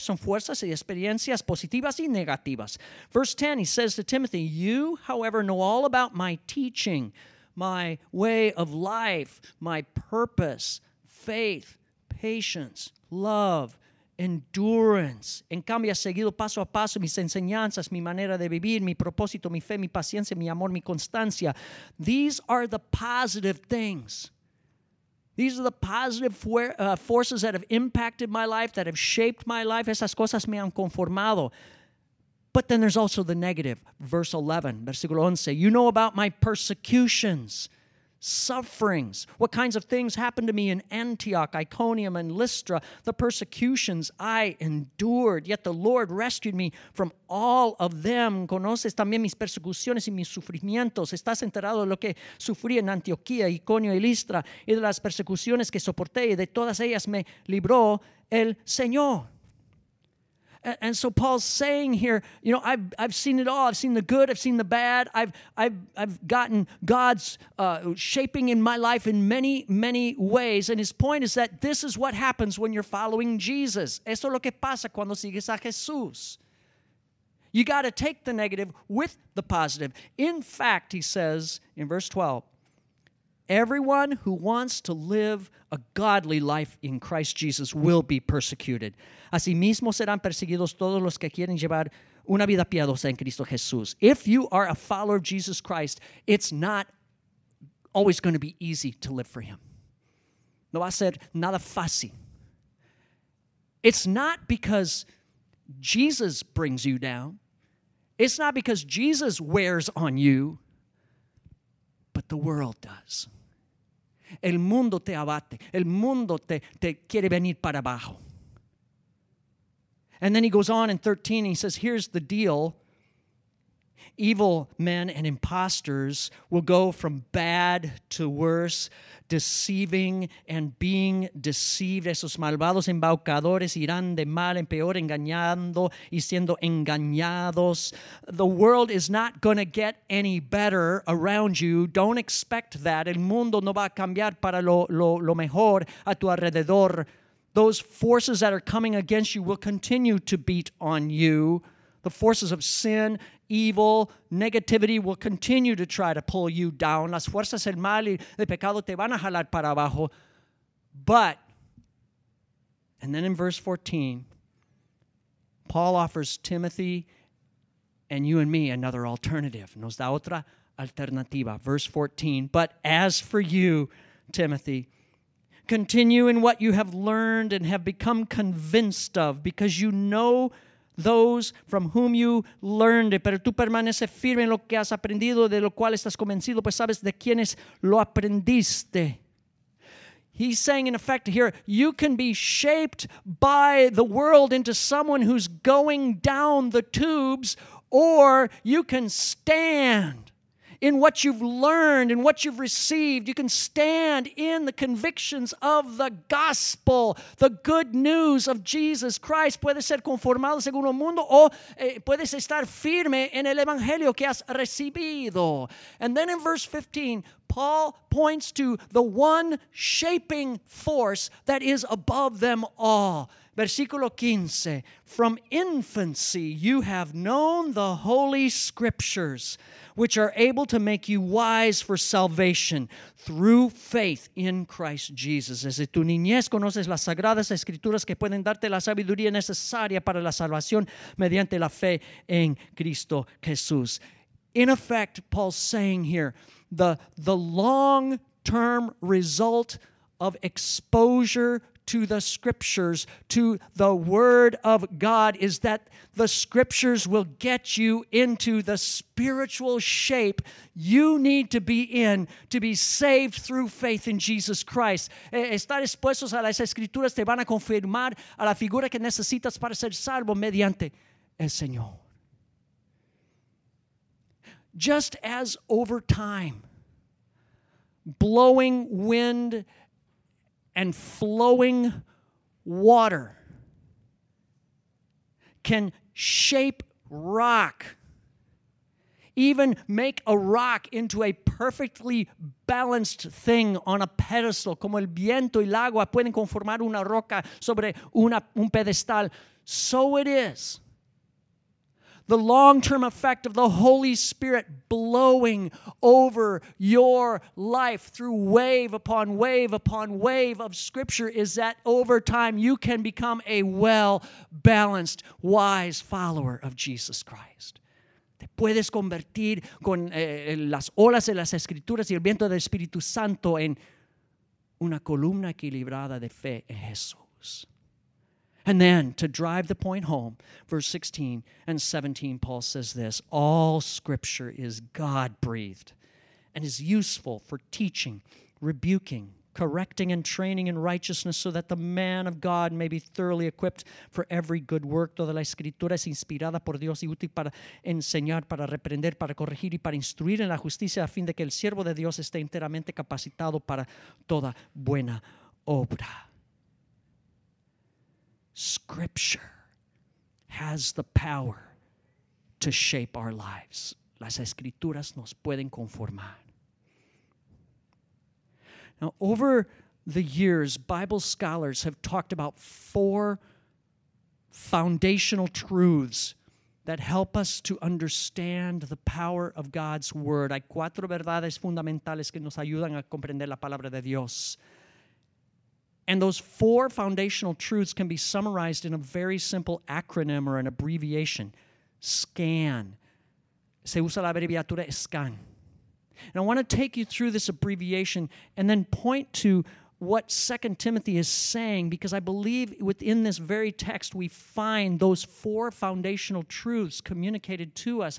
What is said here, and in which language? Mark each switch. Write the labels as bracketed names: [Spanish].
[Spanish] Son fuerzas y experiencias positivas y negativas. [English] Verse 10, he says to Timothy, you, however, know all about my teaching, my way of life, my purpose, faith, patience, love, endurance. [Spanish] En cambio, ha seguido paso a paso mis enseñanzas, mi manera de vivir, mi propósito, mi fe, mi paciencia, mi amor, mi constancia. [English] These are the positive things. These are the positive forces that have impacted my life, that have shaped my life. [Spanish] Esas cosas me han conformado. [English] But then there's also the negative. Verse 11, [Spanish] versículo 11, [English] you know about my persecutions, sufferings, what kinds of things happened to me in Antioch, Iconium, and Lystra, the persecutions I endured, yet the Lord rescued me from all of them. [Spanish] Conoces también mis persecuciones y mis sufrimientos. Estás enterado de lo que sufrí en Antioquía, Iconio y Lystra, y de las persecuciones que soporté, y de todas ellas me libró el Señor. [English] And so Paul's saying here, you know, I've seen it all. I've seen the good. I've seen the bad. I've gotten God's shaping in my life in many, many ways. And his point is that this is what happens when you're following Jesus. [Spanish] Eso es lo que pasa cuando sigues a Jesús. [English] You got to take the negative with the positive. In fact, he says in verse 12, everyone who wants to live a godly life in Christ Jesus will be persecuted. [Spanish] Asimismo serán perseguidos todos los que quieren llevar una vida piadosa en Cristo Jesús. [English] If you are a follower of Jesus Christ, it's not always going to be easy to live for him. [Spanish] No va a ser nada fácil. [English] It's not because Jesus brings you down. It's not because Jesus wears on you. But the world does. [Spanish] El mundo te abate. El mundo te quiere venir para abajo. [English] And then he goes on in 13, he says, here's the deal. Evil men and imposters will go from bad to worse, deceiving and being deceived. [Spanish] Esos malvados embaucadores irán de mal en peor, engañando y siendo engañados. [English] The world is not going to get any better around you. Don't expect that. [Spanish] El mundo no va a cambiar para lo mejor a tu alrededor. [English] Those forces that are coming against you will continue to beat on you. The forces of sin, evil, negativity will continue to try to pull you down. [Spanish] Las fuerzas del mal y del pecado te van a jalar para abajo. [English] But, and then in verse 14, Paul offers Timothy and you and me another alternative. [Spanish] Nos da otra alternativa. [English] Verse 14, but as for you, Timothy, continue in what you have learned and have become convinced of, because you know those from whom you learned it. [Spanish] Pero tú permaneces firme en lo que has aprendido, de lo cual estás convencido, pues sabes de quienes lo aprendiste. [English] He's saying, in effect, here, you can be shaped by the world into someone who's going down the tubes, or you can stand in what you've learned and what you've received. You can stand in the convictions of the gospel, the good news of Jesus Christ. [Spanish] Puedes ser conformado según el mundo o puedes estar firme en el evangelio que has recibido. [English] And then in verse 15, Paul points to the one shaping force that is above them all. [Spanish] Versículo 15, [English] from infancy you have known the holy scriptures, which are able to make you wise for salvation through faith in Christ Jesus. [Spanish] Desde tu niñez conoces las sagradas escrituras que pueden darte la sabiduría necesaria para la salvación mediante la fe en Cristo Jesús. [English] In effect, Paul's saying here, the long-term result of exposure to the scriptures, to the word of God, is that the scriptures will get you into the spiritual shape you need to be in to be saved through faith in Jesus Christ. [Spanish] Estar expuestos a las escrituras te van a confirmar a la figura que necesitas para ser salvo mediante el Señor. [English] Just as over time, blowing wind and flowing water can shape rock, even make a rock into a perfectly balanced thing on a pedestal, [Spanish] como el viento y el agua pueden conformar una roca sobre un pedestal. [English] So it is. The long-term effect of the Holy Spirit blowing over your life through wave upon wave upon wave of Scripture is that over time you can become a well-balanced, wise follower of Jesus Christ. [Spanish] Te puedes convertir con las olas de las Escrituras y el viento del Espíritu Santo en una columna equilibrada de fe en Jesús. [English] And then, to drive the point home, verse 16 and 17, Paul says this, all Scripture is God-breathed and is useful for teaching, rebuking, correcting, and training in righteousness, so that the man of God may be thoroughly equipped for every good work. [Spanish] Toda la Escritura es inspirada por Dios y útil para enseñar, para reprender, para corregir y para instruir en la justicia, a fin de que el siervo de Dios esté enteramente capacitado para toda buena obra. [English] Scripture has the power to shape our lives. [Spanish] Las Escrituras nos pueden conformar. [English] Now, over the years, Bible scholars have talked about four foundational truths that help us to understand the power of God's Word. [Spanish] Hay cuatro verdades fundamentales que nos ayudan a comprender la palabra de Dios. [English] And those four foundational truths can be summarized in a very simple acronym or an abbreviation, SCAN. [Spanish] Se usa la abreviatura SCAN. [English] And I want to take you through this abbreviation and then point to what 2 Timothy is saying, because I believe within this very text we find those four foundational truths communicated to us.